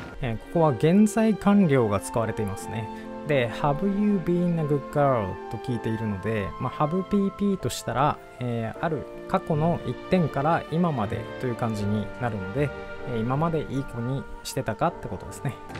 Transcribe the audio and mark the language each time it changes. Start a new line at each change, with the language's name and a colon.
Japanese: ここは現在完了が使われていますね。
English: で、Have you been a good girl?
Japanese: と聞いているので、まあ、Have PP としたら、ある過去の一点から今までという感じになるので、今までいい子にしてたかってことですね。